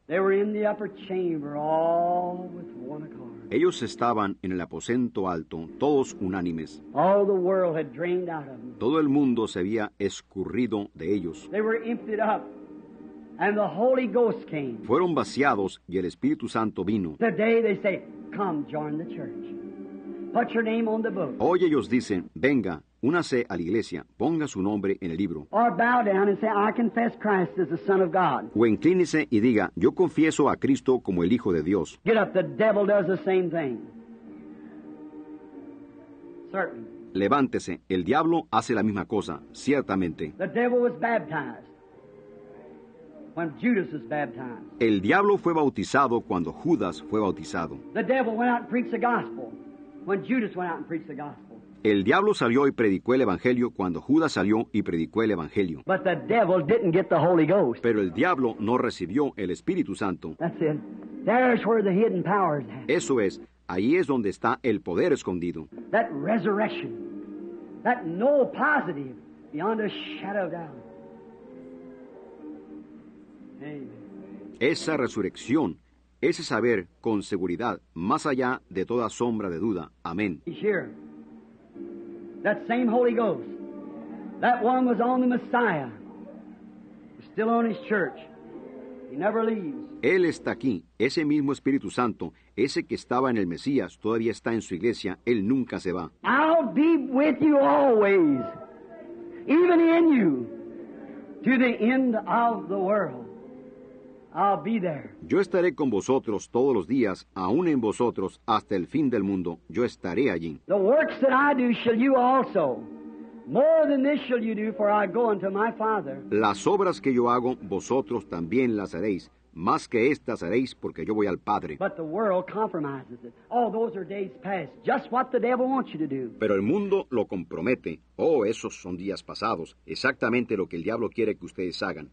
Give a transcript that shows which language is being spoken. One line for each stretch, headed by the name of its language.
English: They were in the upper chamber, all with one accord.
Spanish: Ellos estaban en el aposento alto, todos unánimes.
English: All the world had drained out of them.
Spanish: Todo el mundo se había escurrido de ellos.
English: They were emptied up, and the Holy Ghost came.
Spanish: Fueron vaciados y el Espíritu Santo vino.
English: Today they say, come, join the church. Put your name on the book.
Spanish: Hoy ellos dicen, venga, únase a la iglesia, ponga su nombre en el libro.
English: Or bow down and say, I confess Christ as the Son of God.
Spanish: O inclínese y diga, yo confieso a Cristo como el Hijo de Dios.
English: Get up, the devil does the same thing. Certain.
Spanish: Levántese, el diablo hace la misma cosa, ciertamente.
English: The devil was baptized when Judas was baptized.
Spanish: El diablo fue bautizado cuando Judas fue bautizado.
English: The devil went out and preached the gospel when Judas went out and preached the gospel.
Spanish: El diablo salió y predicó el evangelio cuando Judas salió y predicó el evangelio.
English: But the devil didn't get the Holy Ghost.
Spanish: Pero el diablo no recibió el Espíritu Santo.
English: That's it. There's where the hidden power is.
Spanish: Eso es. Ahí es donde está el poder escondido.
English: That resurrection. That no positive beyond a shadow of doubt.
Spanish: Esa resurrección, ese saber con seguridad, más allá de toda sombra de duda. Amén.
English: He's here. That same Holy Ghost. That one was on the Messiah. He's still on his church. He never leaves.
Spanish: Él está aquí. Ese mismo Espíritu Santo, ese que estaba en el Mesías, todavía está en su iglesia. Él nunca se va.
English: I'll be with you always, even in you, to the end of the world. I'll be there.
Spanish: Yo estaré con vosotros todos los días, aún en vosotros, hasta el fin del mundo. Yo estaré allí.
English: The works that I do shall you also. More than this shall you do, for I go unto my Father.
Spanish: Las obras que yo hago, vosotros también las haréis. Más que estas haréis, porque yo voy al Padre.
English: But the world compromises it. Oh, those are days past. Just what the devil wants you to do.
Spanish: Pero el mundo lo compromete. Oh, esos son días pasados. Exactamente lo que el diablo quiere que ustedes hagan.